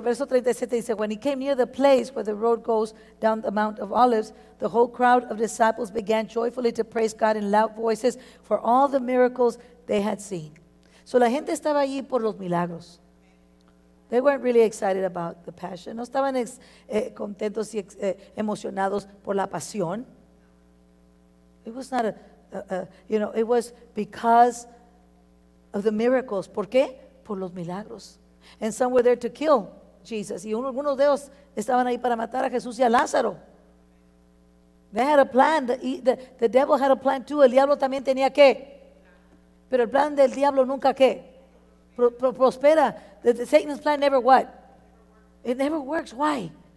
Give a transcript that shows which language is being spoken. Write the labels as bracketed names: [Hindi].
[Spanish] Verso 37 dice, [English] when he came near the place where the road goes down the Mount of Olives, the whole crowd of disciples began joyfully to praise God in loud voices for all the miracles they had seen. [Spanish] So la gente estaba allí por los milagros. [English] They weren't really excited about the passion. [Spanish] No estaban contentos y emocionados por la pasión. [English] It was not it was because of the miracles. [Spanish] ¿Por qué? Por los milagros. [English] And some were there to kill Jesus. [Spanish] Y algunos de ellos estaban ahí para matar a Jesús y a Lázaro. [English] They had a plan. The devil had a plan too. [Spanish] El diablo también tenía qué. Pero el plan del diablo nunca qué. Prospera. [English] Satan's plan never what? It never works. Why?